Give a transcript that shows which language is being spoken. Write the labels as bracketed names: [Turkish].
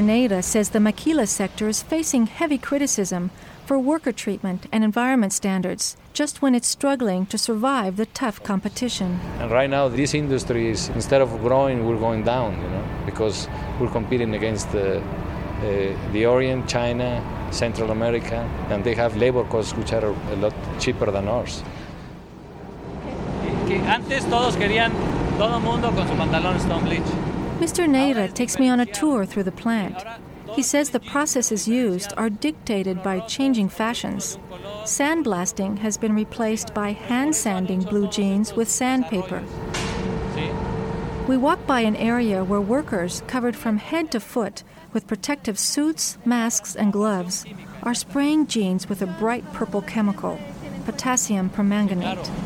[English] Neira says the maquila sector is facing heavy criticism for worker treatment and environment standards just when it's struggling to survive the tough competition. And right now, this industry is, instead of growing, we're going down, you know, because we're competing against the Orient, China, Central America, and they have labor costs which are a lot cheaper than ours. [Spanish] Antes todos querían todo mundo con su pantalón stone bleach. [English] Mr. Neira takes me on a tour through the plant. He says the processes used are dictated by changing fashions. Sandblasting has been replaced by hand-sanding blue jeans with sandpaper. We walk by an area where workers, covered from head to foot with protective suits, masks, and gloves, are spraying jeans with a bright purple chemical, potassium permanganate.